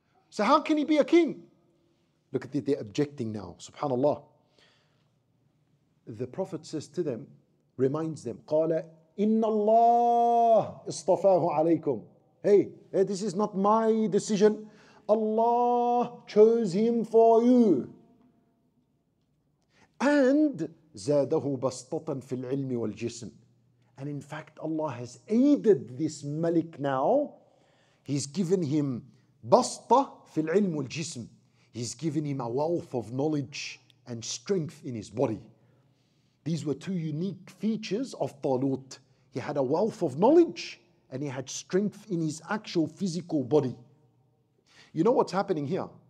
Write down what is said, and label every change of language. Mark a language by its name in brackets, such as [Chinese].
[English] So how can he be a king? Look at it, they're objecting now. Subhanallah. The Prophet says to them, reminds them, [Arabic] قَالَ إِنَّ اللَّهِ اصْطَفَاهُ عَلَيْكُمْ. [English] Hey, this is not my decision. Allah chose him for you. [Arabic] And زَادَهُ بَسْطَةً فِي الْعِلْمِ وَالْجِسْمِ. [English] And in fact, Allah has aided this Malik now. He's given him basta [Arabic] فِي الْعِلْمِ وَالْجِسْمِ. [English] He's given him a wealth of knowledge and strength in his body. These were two unique features of Talut. He had a wealth of knowledge and he had strength in his actual physical body. You know what's happening here?